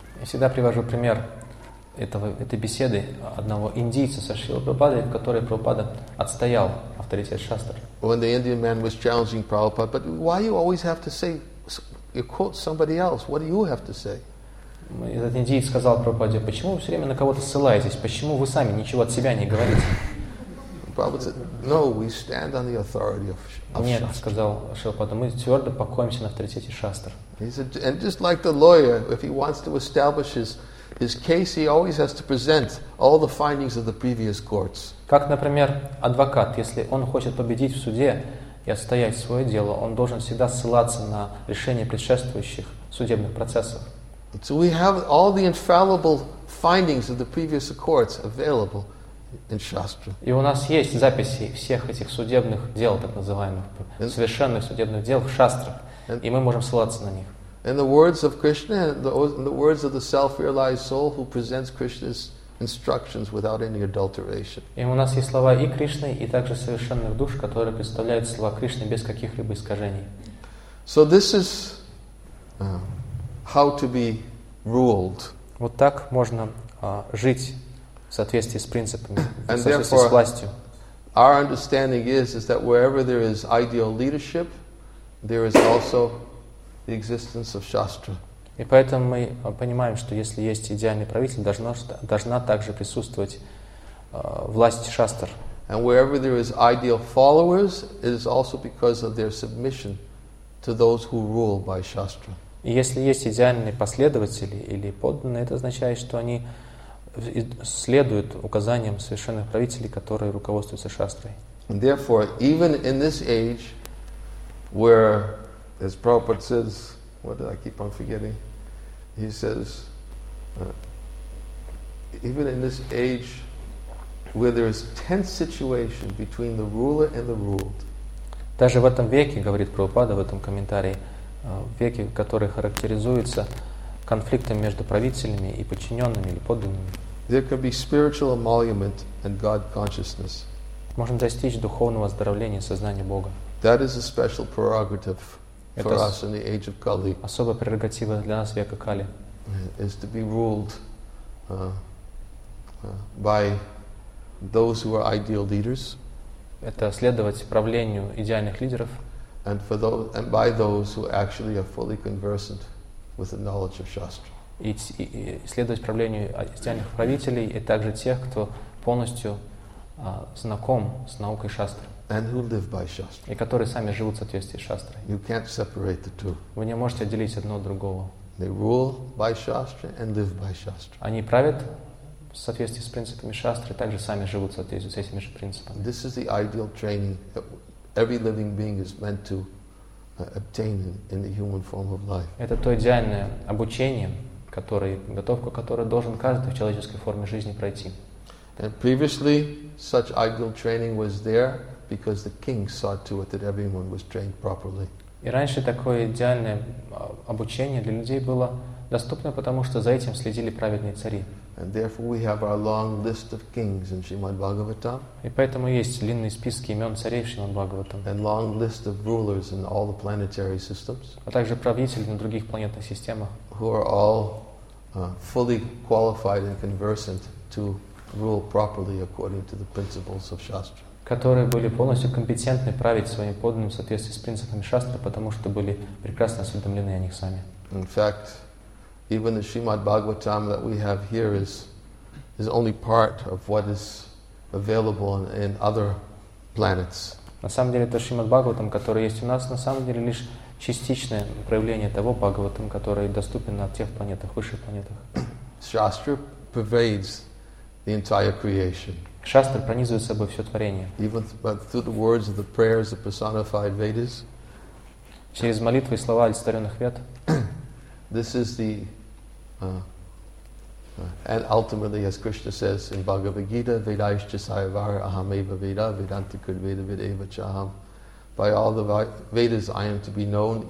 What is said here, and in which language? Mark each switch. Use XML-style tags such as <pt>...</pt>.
<ru>Я всегда привожу пример этой беседы одного индийца со Шрилой Прабхупадой, в которой Прабхупада отстоял авторитет Шастры.</ru> <en>When the Indian man was challenging Prabhupada, but why you always have to say, you quote somebody else, what do you have to say?</en> <ru>Этот индийец сказал Прабхупаде, почему вы все время на кого-то ссылаетесь, почему вы сами ничего от себя не говорите?</ru> <en>Prabhupada said, no, we stand on the authority of Shastra.</en> <ru>Нет, сказал Шрилопада, мы твердо покоимся на авторитете Шастр.</ru> <en>He said, and just like the lawyer, if he wants to establish his case, he always has to present all the findings of the previous courts.</en> <ru>Как, например, адвокат, если он хочет победить в суде и отстоять свое дело, он должен всегда ссылаться на решения предшествующих судебных процессов.</ru> <en>So we have all the infallible findings of the previous courts available in Shastra.</en> <ru>И у нас есть записи всех этих судебных дел, так называемых, совершенных судебных дел в Шастре. И мы можем ссылаться на них.</ru> <en>In the words of Krishna, the words of the self-realized soul who presents Krishna's instructions without any adulteration.</en> <ru>И у нас есть слова и Кришны, и также совершенных душ, которые представляют слова Кришны без каких-либо искажений.</ru> <en>So this is how to be ruled.</en> <ru>Вот так можно жить в соответствии с принципами, в соответствии с властью.</ru> <en>Our understanding is that wherever there is ideal leadership, there is also the existence of Shastra.</en> <ru>И поэтому мы понимаем, что если есть идеальный правитель, должна также присутствовать власть Шастр.</ru> <en>And wherever there is ideal followers, it is also because of their submission to those who rule by Shastra.</en> <ru>И если есть идеальные последователи или подданные, это означает, что они следуют указаниям совершенных правителей, которые руководствуются Шастрой.</ru> <en>And therefore, even in this age, where, as Prabhupada says, what did I keep on forgetting? He says, even in this age where there is tense situation between the ruler and the ruled.</en> <ru>Даже в этом веке, говорит Прабхупада в этом комментарии, веке, который характеризуется конфликтом между правителями и подчиненными или подданными.</ru> <en>There can be spiritual emolument and God consciousness.</en> <ru>Можем достичь духовного оздоровления сознания Бога.</ru> <en>That is a special prerogative for us in the age of Kali.</en> <ru>Особая прерогатива для нас века Кали.</ru> <en>Is to be ruled by those who are ideal leaders.</en> <ru>Это следовать правлению идеальных лидеров.</ru> <en>And for those, and by those who actually are fully conversant with the knowledge of Shastra.</en> <ru>И следовать правлению идеальных правителей и также тех, кто полностью знаком с наукой Шастры.</ru> <en>And who live by Shastra.</en> <ru>И которые сами живут в соответствии с Шастрой.</ru> <en>You can't separate the two.</en> <ru>Вы не можете отделить одно от другого.</ru> <en>They rule by Shastra and live by Shastra.</en> <ru>Они правят в соответствии с принципами Шастры, также сами живут в соответствии с этими же принципами.</ru> <en>This is the ideal training that every living being is meant to obtain in the human form of life.</en> <ru>Это то идеальное обучение, готовку, которое должен каждый в человеческой форме жизни пройти.</ru> <en>And previously, such ideal training was there because the king saw to it that everyone was trained properly.</en> <ru>И раньше такое идеальное обучение для людей было доступно, потому что за этим следили праведные цари.</ru> <en>And therefore we have our long list of kings in Srimad Bhagavatam.</en> <ru>И поэтому есть длинные списки имен царей в Шримад Бхагаватам.</ru> <en>And long list of rulers in all the planetary systems.</en> <ru>А также правителей на других планетных системах.</ru> <en>Who are all fully qualified and conversant to rule properly according to the principles of Shastra.</en> <ru>Которые были полностью компетентны править своим подданным в соответствии с принципами Шастры, потому что были прекрасно осведомлены о них сами.</ru> <en>In fact, even the Srimad Bhagavatam that we have here is only part of what is available in other planets.</en> <ru>На самом деле, это Шримад Бхагаватам, который есть у нас, на самом деле лишь частичное проявление того Бхагаватам, который доступен на тех планетах, высших планетах.</ru> <en>Shastra pervades the entire creation.</en> <ru>Шастра пронизывает собой все творение.</ru> <en>Even through the words of the prayers of personified Vedas.</en> <ru>Через молитвы и слова олицетворенных Вед.</ru> <en>This is the and ultimately, as Krishna says in Bhagavad Gita,</en> <sa>Vedaischa Sayavara Ahameva Veda Vedantikur Veda Vedeva Chaham</sa> <en>By all the Vedas I am to be known.</en>